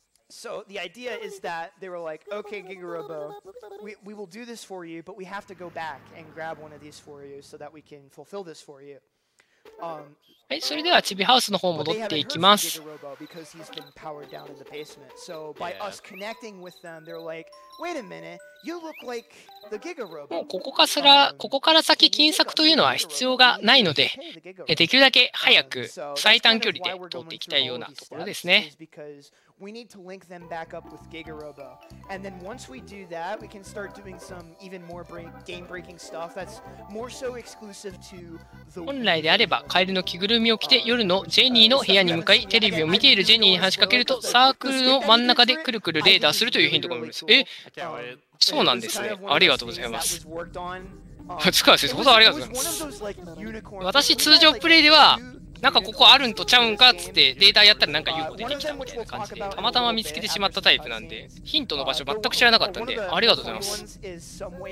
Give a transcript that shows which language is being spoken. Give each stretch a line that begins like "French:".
English: So the idea is that they were like, okay, Gigarobo, we will do this for you, but we have to go back and grab one of these for you so that we can fulfill this for you.
Japanese: はい、それではチビハウスの方戻っていきます。もうここから先金策というのは必要がないので、できるだけ早く最短距離で通っていきたいようなところですね。
English: We need to link them back up with GigaRobo. And then once we do that, we can start doing some even more game-breaking stuff that's more so exclusive to the...
Japanese: 本来であれば、カエルの着ぐるみを着て夜のジェニーの部屋に向かい、テレビを見ているジェニーに話しかけると、サークルの真ん中でくるくるレーダーするというヒントがあります。そうなんですね。ありがとうございます。つかわせて、本当ありがとうございます。私、通常プレイでは、なんかここあるんとちゃうんかっつってデータやったらなんか UFO 出てきたみたいな感じで、たまたま見つけてしまったタイプなんで、ヒントの場所全く知らなかったんで、ありがとうございます。